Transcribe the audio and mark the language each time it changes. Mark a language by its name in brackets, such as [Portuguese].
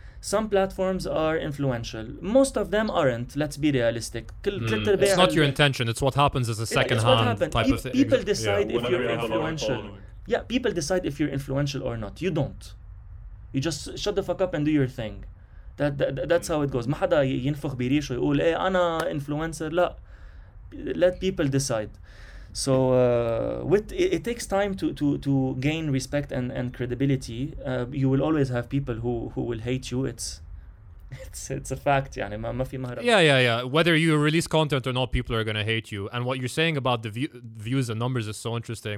[English] Some platforms are influential. Most of them aren't, let's be realistic. It's not your intention. It's what happens as a second-hand type of thing. People decide if you're influential. Yeah, people decide if you're influential or not. You don't. You just shut the fuck up and do your thing. That's how it goes. [Arabic] محدا ينفخ بريش ويقول إيه أنا influencer. لا. [English] Let people decide. So it takes time to gain respect and credibility. You will always have people who will hate you. It's a fact. [Arabic] يعني ما في مهرب. [English] Yeah. Whether you release content or not, people are going to hate you. And what you're saying about the views and numbers is so interesting.